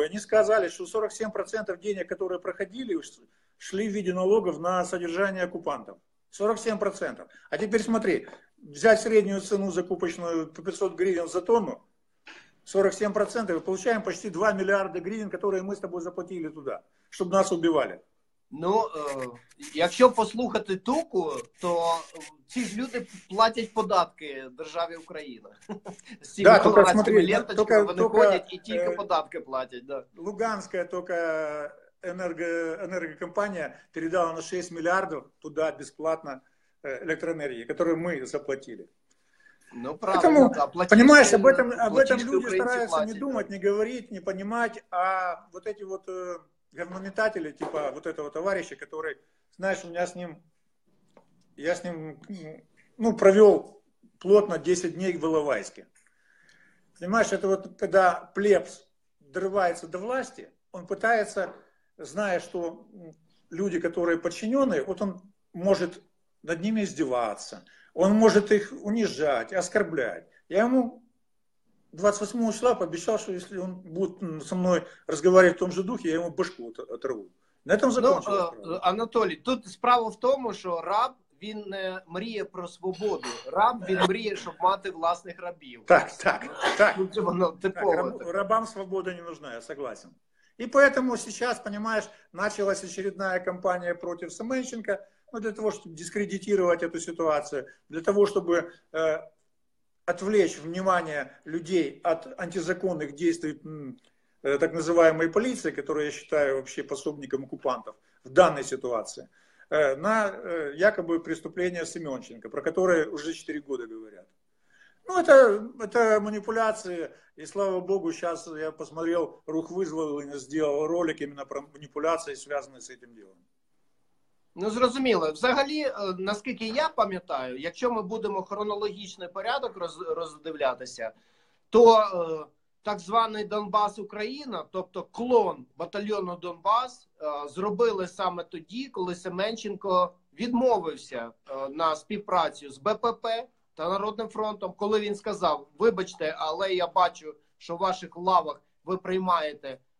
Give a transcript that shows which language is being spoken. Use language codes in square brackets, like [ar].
[ru] Они сказали, что 47% денег, которые проходили, шли в виде налогов на содержание оккупантов. 47%. А теперь смотри, взять среднюю цену закупочную по 500 гривен за тонну, 47%, и получаем почти 2 миллиарда гривен, которые мы с тобой заплатили туда, чтобы нас убивали. [uk] Ну, якщо послухати Туку, то ці ж люди платять податки державі Україна. З цими колорадськими ленточками вони ходять і тільки податки платять. Да. Луганська тільки енергокомпанія передала на 6 мільярдів туди безплатно електроенергії, яку ми заплатили. [ru] Ну, правильно, поэтому, да, понимаешь, об этом люди стараются платить, не думать, да, не говорить, не понимать, а вот эти вот говнометатели, типа вот этого товарища, который, знаешь, я с ним, ну, провел плотно 10 дней в Иловайске. Понимаешь, это вот когда плебс дорывается до власти, он пытается, зная, что люди, которые подчиненные, вот он может над ними издеваться, он может их унижать, оскорблять. Я ему 28 числа пообещал, что если он будет со мной разговаривать в том же духе, я ему башку оторву. На этом закончилось. [uk] Ну, Анатолий, [ru] тут справа в том, что [uk] раб, він не мріє про свободу. Раб, він мріє, щоб мати власних рабів. Так. Ну, це воно типово. [ru] Рабам свобода не нужна, я согласен. І поэтому сейчас, понимаешь, началась очередная кампания против Семенченка. Ну, для того, чтобы дискредитировать эту ситуацию, для того, чтобы отвлечь внимание людей от антизаконных действий так называемой полиции, которую я считаю вообще пособником оккупантов в данной ситуации, на якобы преступление Семенченко, про которое уже 4 года говорят. Ну, это манипуляции, и слава богу, сейчас я посмотрел, Рух вызвал и сделал ролик именно про манипуляции, связанные с этим делом. [uk] Ну, зрозуміло. Взагалі, наскільки я пам'ятаю, якщо ми будемо хронологічний порядок роздивлятися, то так званий Донбас-Україна, тобто клон батальйону Донбас, зробили саме тоді, коли Семенченко відмовився на співпрацю з БПП та Народним фронтом, коли він сказав, вибачте, але я бачу, що в ваших лавах ви приймаєте